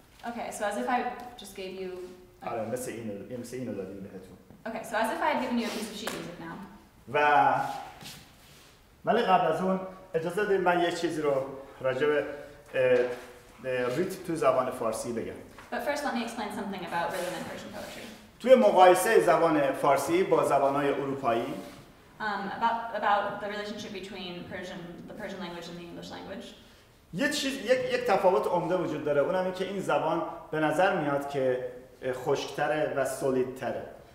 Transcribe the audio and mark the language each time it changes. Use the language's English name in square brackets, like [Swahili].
[English] Okay, so as if I just gave you [Persian] آره، مثل اینه دادیم بهتون. [English] Okay, so as if I had given you a piece of sheet music now. [Persian] و ولی قبل از اون اجازه دیم من یه چیزی رو راجبه ریتم تو زبان فارسی بگم. [English] But first let me explain something about rhythm in Persian poetry. [Persian] توی مقایسه زبان فارسی با زبان‌های اروپایی [English] about the relationship between Persian, the Persian language and the English language. [Persian] یک تفاوت عمده وجود داره، اونم اینکه این زبان به نظر میاد که خشک‌تره و سولیدتره.